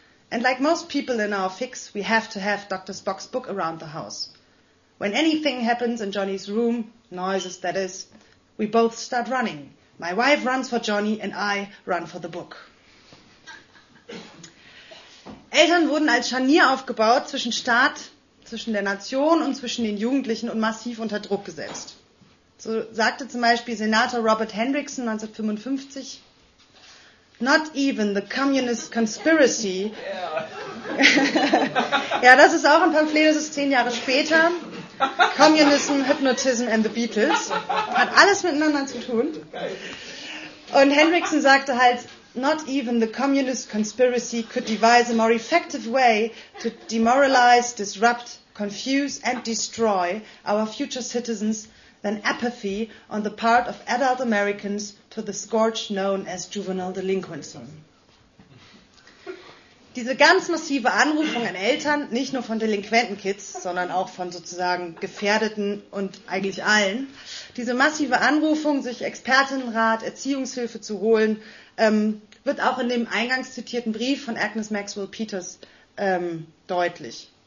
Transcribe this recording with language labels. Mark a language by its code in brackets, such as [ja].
[en] And like most people in our fix, we have to have Dr. Spock's book around the house. When anything happens in Johnny's room, noises that is, we both start running. My wife runs for Johnny and I run for the book. [de] Eltern wurden als Scharnier aufgebaut zwischen Staat, zwischen der Nation und zwischen den Jugendlichen und massiv unter Druck gesetzt. So sagte zum Beispiel [en] Senator Robert Hendrickson 1955, Not even the communist conspiracy. [de] Yeah. Ja, das ist auch ein Pamphlet, das ist 10 Jahre später. Communism, Hypnotism and the Beatles. Hat alles miteinander zu tun. Und Hendrickson sagte halt, [en] Not even the communist conspiracy could devise a more effective way to demoralize, disrupt, confuse and destroy our future citizens than apathy on the part of adult Americans to the scourge known as juvenile delinquency. [de] Diese ganz massive Anrufung an Eltern, nicht nur von delinquenten Kids, sondern auch von sozusagen Gefährdeten und eigentlich allen, diese massive Anrufung, sich Expertenrat, Erziehungshilfe zu holen, wird auch in dem eingangs zitierten Brief von Agnes Maxwell-Peters deutlich.